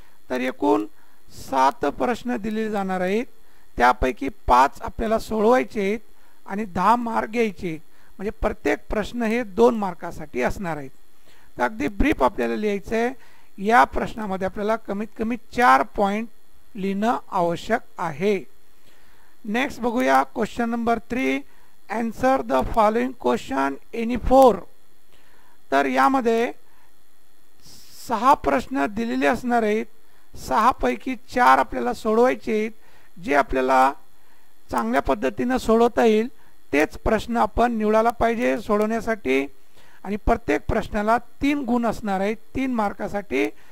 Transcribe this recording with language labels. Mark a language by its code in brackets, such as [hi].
[mr] तर एकूण 7 प्रश्न दिले जाणार आहेत, त्यापैकी 5 आपल्याला सोडवायचे आहेत आणि 10 मार्क घ्यायचे. म्हणजे प्रत्येक प्रश्न हे 2 मार्कासाठी असणार आहेत. तर अगदी ब्रीफ आपल्याला लिहायचं आहे. या प्रश्नामध्ये आपल्याला कमीत कमी 4 पॉईंट लिहिणं आवश्यक आहे. [en] next [mr] बघूया [en] Question number 3, answer the following question any 4. [mr] तर यामध्ये 6 प्रश्न दिलेले असणार आहेत, 6 पैकी 4 आपल्याला सोडवायचे आहेत. जे आपल्याला चांगल्या पद्धतीनं सोडवता येईल तेच प्रश्न आपण निवडायला पाहिजे सोडवण्यासाठी, आणि प्रत्येक प्रश्नाला 3 गुण असणार आहेत 3 मार्कासाठी.